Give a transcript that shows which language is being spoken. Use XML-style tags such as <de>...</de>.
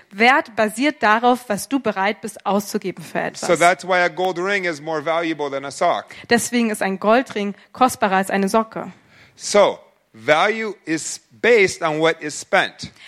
<de>Wert basiert darauf, was du bereit bist auszugeben für etwas.</de> <en>So that's why a gold ring is more valuable than a sock.</en> <de>Deswegen ist ein Goldring kostbarer als eine Socke.</de> <en>So value is based on what is spent.</en>